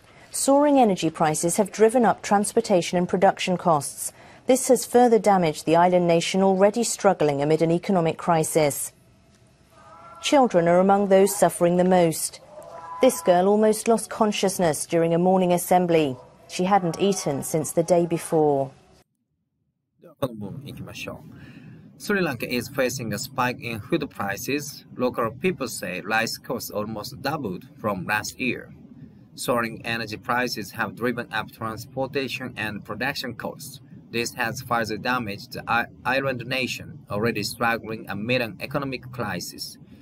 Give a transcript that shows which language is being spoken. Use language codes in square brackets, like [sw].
[en] Soaring energy prices have driven up transportation and production costs. This has further damaged the island nation already struggling amid an economic crisis. Children are among those suffering the most. This girl almost lost consciousness during a morning assembly. She hadn't eaten since the day before. [ja] この部分行きましょう。 [en] スリランカ is facing a spike in food prices. Local people say rice costs almost doubled from last year. Soaring energy prices have driven up transportation and production costs. This has further damaged the island nation, already struggling amid an economic crisis.